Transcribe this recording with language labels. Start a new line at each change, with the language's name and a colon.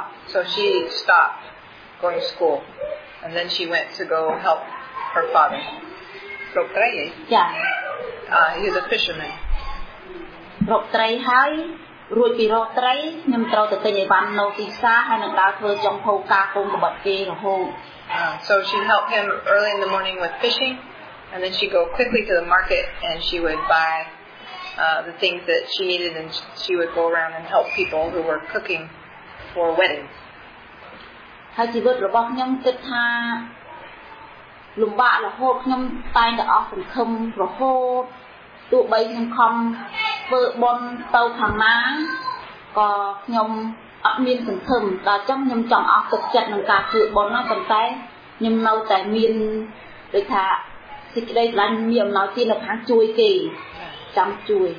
English: So she stopped going to school and then she went to go help her father
Khmer: រកត្រី ចា
English: he is a fisherman
Khmer: រកត្រីហើយរួចពីរកត្រីខ្ញុំត្រូវទៅទិញអីវ៉ាន់នៅទីផ្សារហើយនឹងដើរធ្វើចំហូការកូនក្បត់គេរហូត
English: So she helped him early in the morning with fishing, and then she'd go quickly to the market and she would buy the things that she needed, and she would go around and help people who were cooking for weddings.
Khmer: ហើយជីវិតរបស់ខ្ញុំគិតថាលំបាករហូតខ្ញុំតែងតែអស់សង្ឃឹមរហូតទោះបីខ្ញុំខំធ្វើបុណ្យទៅខាងណាក៏ខ្ញុំអត់មានសង្ឃឹមដល់ចឹងខ្ញុំចង់អស់ទឹកចិត្តនឹងការធ្វើបុណ្យណាប៉ុន្តែខ្ញុំនៅតែមានដូចថាសេចក្តីស្រឡាញ់មានអំណោយទីនៅខាងជួយគេចាំជួយ